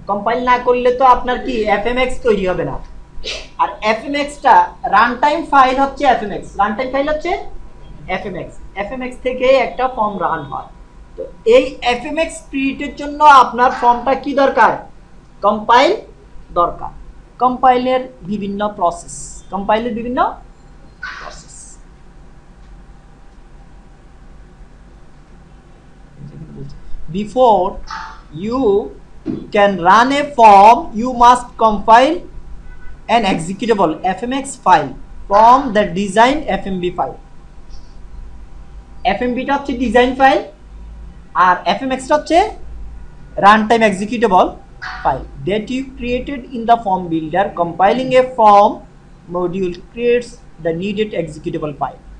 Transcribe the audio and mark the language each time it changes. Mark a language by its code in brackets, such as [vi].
[bn] Compile না করলে তো আপনার কি এফ এম এক্স তৈরি হবে না, আর F M extra run time file হচ্ছে, F M x run time file হচ্ছে F M x, F M x থেকেই একটা ফর্ম রান হয়। তো এই এফ এম এক্স ক্রিয়েটের জন্য আপনার ফর্মটা কি দরকার? কম্পাইল দরকার, কম্পাইলের বিভিন্ন প্রসেস, কম্পাইলের বিভিন্ন process. [en] Before you can run a form, you must compile an executable FMX file from the designed FMB file. [bn] FMB টা হচ্ছে ডিজাইন ফাইল, আর FMX টা হচ্ছে runtime executable file [en] That you created in the form builder. Compiling a form module creates the needed executable file.